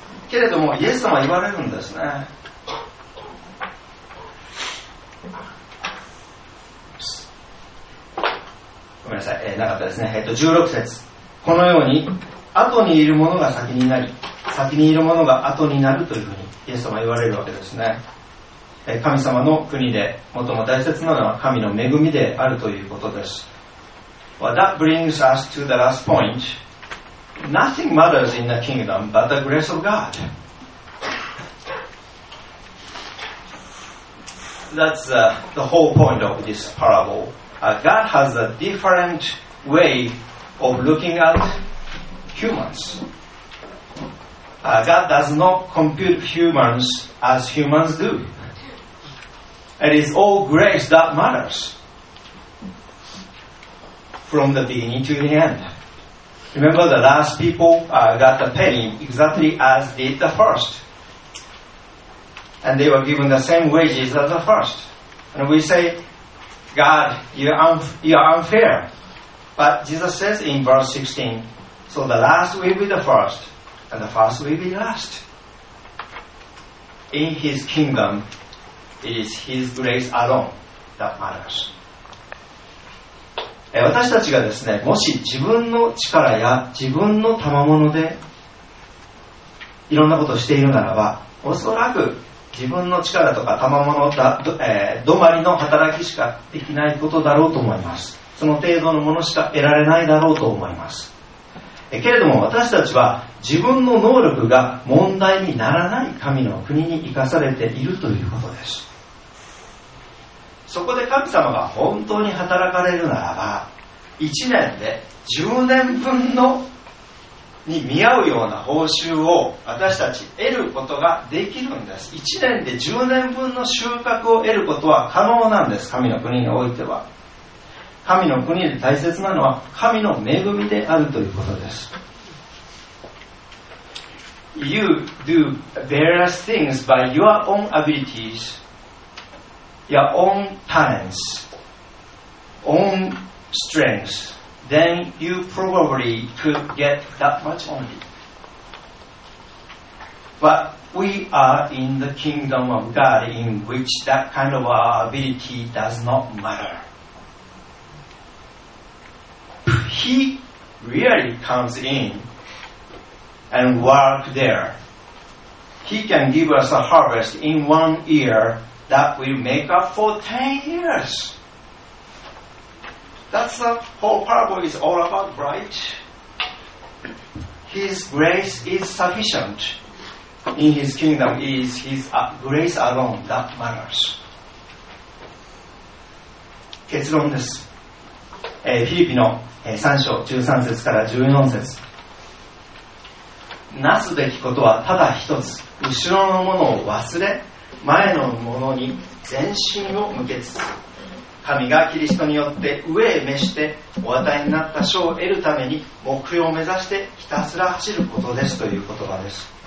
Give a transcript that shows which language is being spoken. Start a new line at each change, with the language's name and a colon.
Japanese: けれどもイエス様は言われるんですね、ごめんなさい、なかったですね、16節、このように後にいる者が先になり先にいる者が後になるというふうにイエス様は言われるわけですね。神様の国で最も大切なのは神の恵みであるということです。
English: Well, that brings us to the last point. Nothing matters in the kingdom but the grace of God. That's the whole point of this parable. God has a different way of looking at humans. God does not compute humans as humans do. It is all grace that matters from the beginning to the end. Remember, the last people got the pain exactly as did the first. And they were given the same wages as the first. And we say, God, you are unfair. But Jesus says in verse 16, so the last will be the first, and the first will be last. In His kingdom,It is His grace alone that matters.
Japanese: 私たちがですね、もし自分の力や自分の賜物でいろんなことをしているならば、おそらく自分の力とか賜物だ、どまりの働きしかできないことだろうと思います。その程度のものしか得られないだろうと思います。けれども私たちは自分の能力が問題にならない神の国に生かされているということです。そこで神様が本当に働かれるならば、1年で10年分のに見合うような報酬を私たち得ることができるんです。 1年で10年分の収穫を得ることは可能なんです。神の国においては、神の国で大切なのは神の恵みであるということです。
English: You do various things by your own abilities, your own talents, own strengths, then you probably could get that much only. But we are in the kingdom of God in which that kind of ability does not matter. He really comes in and works there. He can give us a harvest in 1 year that will make up for 10 years. That's the whole parable is all about, right? His grace is sufficient. In his kingdom is his grace alone that matters.
Japanese: 結論です。フィリピの3章13節から14節。なすべきことはただ一つ、後ろのものを忘れ、前のものに全身を向けつつ、神がキリストによって上へ召してお与えになった賞を得るために目標を目指してひたすら走ることですという言葉です。